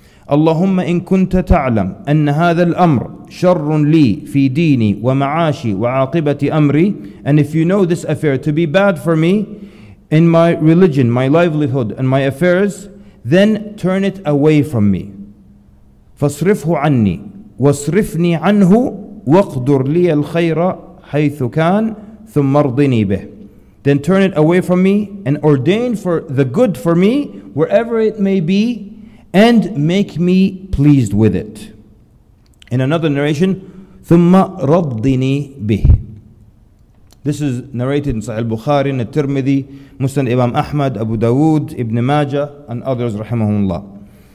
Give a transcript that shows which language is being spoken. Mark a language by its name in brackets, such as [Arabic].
[Arabic] اللهم إن كنت تعلم أن هذا الأمر شر لي في ديني ومعاشي وعاقبة أمري, [English] and if you know this affair to be bad for me in my religion, my livelihood and my affairs, then turn it away from me. [Arabic] فاصرفه عني واصرفني عنه واقدر لي الخير حيث كان ثم ارضني به. [English] Then turn it away from me and ordain for the good for me wherever it may be, and make me pleased with it. In another narration, [Arabic] ثُمَّ رَضِّنِي بِهِ. [English] This is narrated in Sahih al-Bukhari, in al-Tirmidhi, Musnad Imam Ahmad, Abu Dawood, Ibn Majah, and others, rahimahumullah.